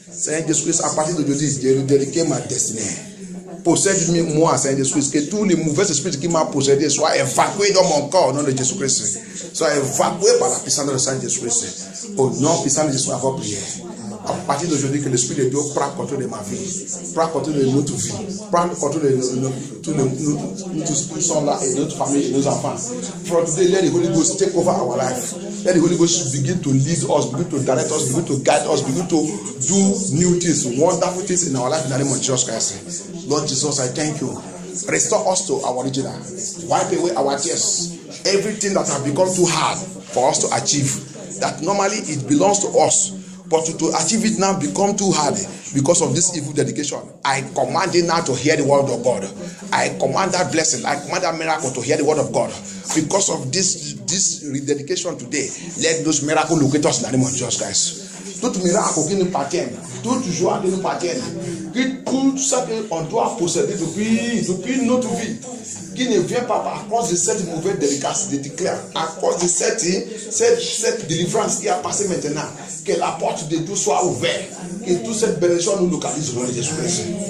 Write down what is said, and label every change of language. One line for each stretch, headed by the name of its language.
French: Seigneur Jésus-Christ, à partir d'aujourd'hui, je vais dédiquer ma destinée. Possède-moi, Seigneur Jésus-Christ, que tous les mauvais esprits qui m'ont possédé soient évacués dans mon corps au nom de Jésus-Christ. Soit évacué par la puissance de Saint Jésus-Christ. Au nom puissant de Jésus, à vos prières. À partir d'aujourd'hui, que l'Esprit de Dieu prend contrôle de ma vie, prend contrôle de notre vie, prend contrôle de nous qui sommes là et notre famille et nos enfants.
English: From today, let the Holy Ghost take over our life. Let the Holy Ghost begin to lead us, begin to direct us, begin to guide us, begin to do new things, wonderful things in our life in the name of Jesus Christ. Lord Jesus, I thank you. Restore us to our original. Wipe away our tears. Everything that has become too hard for us to achieve, that normally it belongs to us, but to achieve it now become too hard because of this evil dedication. I command it now to hear the word of God. I command that blessing. I command that miracle to hear the word of God. Because of this rededication today, let those miracles locate us in the name of Jesus Christ.
French: Tout miracle qui nous appartient, tout joie qui nous appartient, que tout ça qu'on doit posséder depuis notre vie, qui ne vient pas à cause de cette mauvaise délicatesse de déclarer, à cause de cette délivrance qui a passé maintenant, que la porte de tout soit ouverte, que toute cette bénédiction nous localise au nom de Jésus-Christ.